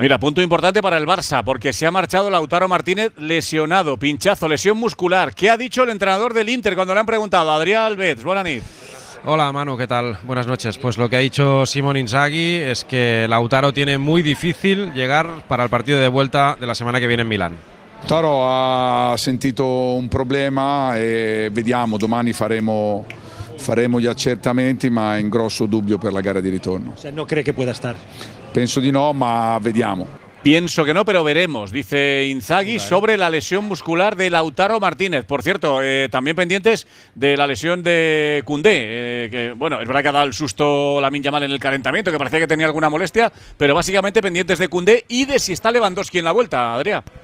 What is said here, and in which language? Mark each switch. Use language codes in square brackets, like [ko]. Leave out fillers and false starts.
[es] Mira, punto importante para el Barça, porque se ha marchado Lautaro Martínez lesionado, pinchazo, lesión muscular. ¿Qué ha dicho el entrenador del Inter cuando le han preguntado? Adrián Alves, buenas noches. Hola Manu, ¿qué tal? Buenas noches. Pues lo que ha dicho Simone Inzaghi es que Lautaro tiene muy difícil llegar para el partido de vuelta de la semana que viene en Milán. Lautaro ha sentido un problema y [it] vediamo, domani faremo gli accertamenti, ma in grosso dubbio per la gara di ritorno. [es] O sea, no cree que pueda estar. [it] Penso di no, ma vediamo. [es] Pienso que no, pero veremos, dice Inzaghi, vale, sobre la lesión muscular de Lautaro Martínez. Por cierto, también pendientes de la lesión de Koundé, que bueno, es verdad que ha dado el susto Lamine Yamal en el calentamiento, que parecía que tenía alguna molestia, pero básicamente pendientes de Koundé y de si está Lewandowski en la vuelta, Adrià.